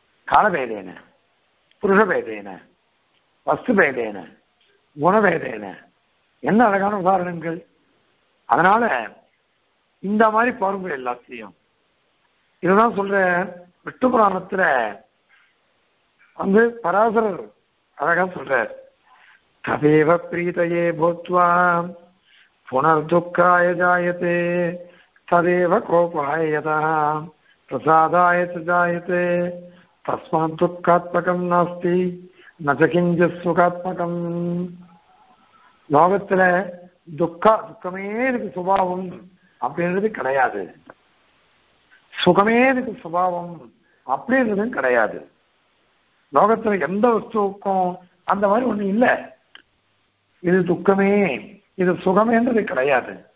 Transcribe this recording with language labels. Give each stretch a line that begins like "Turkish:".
Sanskrit: காலபேதேன, புருஷ பேதேன, வஸ்து பேதேன, குணபேதேன,
Tamil: என்ன அழகான உதாரணங்கள். அதனால இந்த மாதிரி பாருங்க எல்லாத்தையும். இதுதான் சொல்றேன், விட்டு புராணத்துல வந்து பராசரர் அழகா சொல்றார்,
Sanskrit: ததேவ பிரீதையே போத்வாம் पुनर्दुःखाय जायते तदेव कोपाय यतः प्रसादाय च जायते तस्मात् दुःखात्मकं नास्ति न च किञ्चित् सुखात्मकम्।
Tamil: लोकत்துல துக்கமே இருக்கு சுபாவம் அப்படின்றது கிடையாது, சுகமே இருக்கு சுபாவம் அப்படின்றதும் கிடையாது. லோகத்துல எந்த வஸ்துக்கும் அந்த மாதிரி ஒண்ணு இல்லை, இது துக்கமே இது சுகமேன்றது கிடையாது.